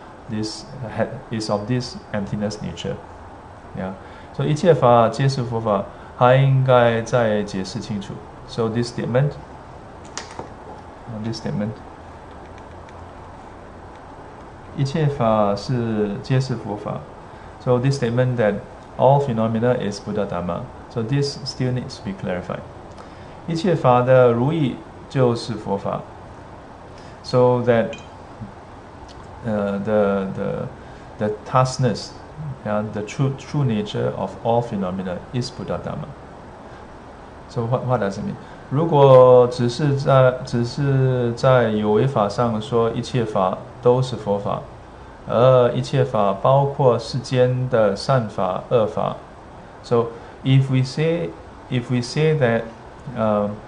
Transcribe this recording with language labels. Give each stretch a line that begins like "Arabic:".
English: This is of this emptiness nature. So
Chinese: 一切法皆是佛法，还应该再解释清楚。
English: So this statement，
Chinese: 一切法是皆是佛法。
English: So this statement that all phenomena is Buddha Dhamma. So this still needs to be clarified.
Chinese: 一切法的如意就是佛法。
English: So that the tasness and the true nature of all phenomena is Buddha Dhamma. So what does it mean?
Chinese: 如果只是在有为法上说一切法都是佛法，而一切法包括世间的善法、恶法。
English: So if we say that